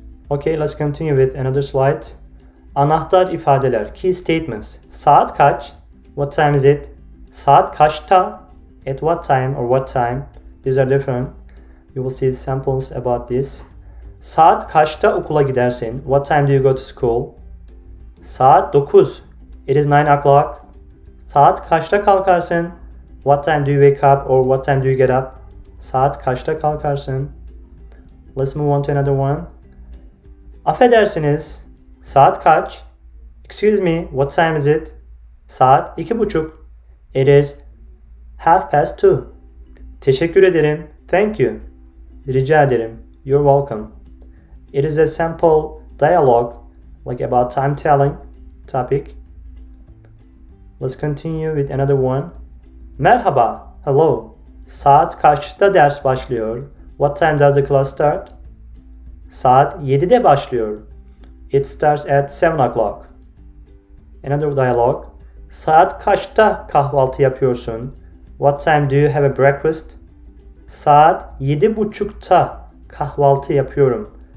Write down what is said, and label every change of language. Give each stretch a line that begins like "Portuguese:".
English: Okay, let's continue with another slide.
Turkish: Anahtar ifadeler,
English: key statements.
Turkish: Saat kaç?
English: What time is it?
Turkish: Saat kaçta?
English: At what time or what time? These are different. You will see samples about this.
Turkish: Saat kaçta okula gidersin?
English: What time do you go to school?
Turkish: Saat 9.
English: It is 9:00.
Turkish: Saat kaçta kalkarsın?
English: What time do you wake up or what time do you get up?
Turkish: Saat kaçta kalkarsın?
English: Let's move on to another one.
Turkish: Affedersiniz, saat kaç?
English: Excuse me, what time is it?
Turkish: Saat 2:30.
English: It is 2:30.
Turkish: Teşekkür ederim.
English: Thank you.
Turkish: Rica ederim.
English: You're welcome. It is a simple dialogue, like about time telling topic. Let's continue with another one.
Turkish: Merhaba.
English: Hello.
Turkish: Saat kaçta ders başlıyor?
English: What time does the class start?
Turkish: Saat 7'de başlıyor.
English: It starts at 7 o'clock. Another dialogue.
Turkish: Saat kaçta kahvaltı yapıyorsun?
English: What time do you have a breakfast?
Turkish: Saat 7:30'da kahvaltı yapıyorum.